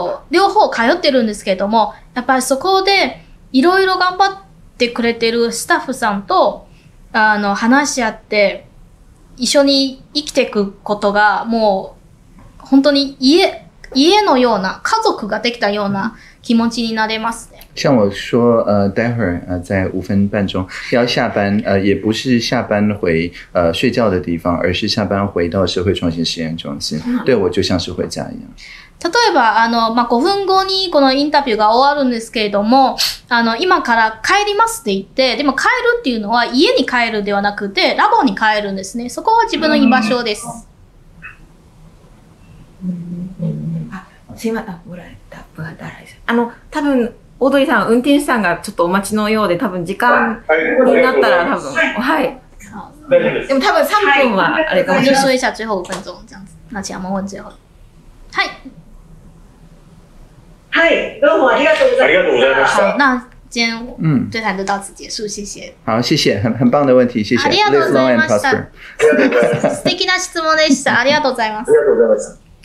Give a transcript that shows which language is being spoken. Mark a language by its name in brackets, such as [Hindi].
[Japanese] 両方通ってるんですけれども、やっぱりそこでいろいろ頑張ってくれてるスタッフさんと、話し合って、一緒に生きていくことが、もう、本当に家のような、家族ができたような気持ちになれますね。 [Chinese] 像我说，待会儿在五分半钟要下班，也不是下班回睡觉的地方，而是下班回到社会创新实验中心。对我就像是回家一样。 [Japanese] 例えば五分後にこのインタビューが終わるんですけれども、今から帰りますって言って、でも帰るっていうのは家に帰るではなくてラボに帰るんですね。そこは自分の居場所です。すいません、ごらんタップが誰です。多分。オードリーさん、運転手さんがちょっとお待ちのようで、多分時間になったら多分、はい。でも多分3分はあれかもしれない。 [Chinese] 休息一下最後5分鐘、这样子。那请我们问最后。はい。 [Japanese] はい、どうもありがとうございました。 [Chinese] 好，那今天对谈就到此结束，谢谢。好，谢谢，很棒的问题，谢谢。 [Japanese] ありがとうございました。素敵な質問でした。ありがとうございます。ありがとうございました。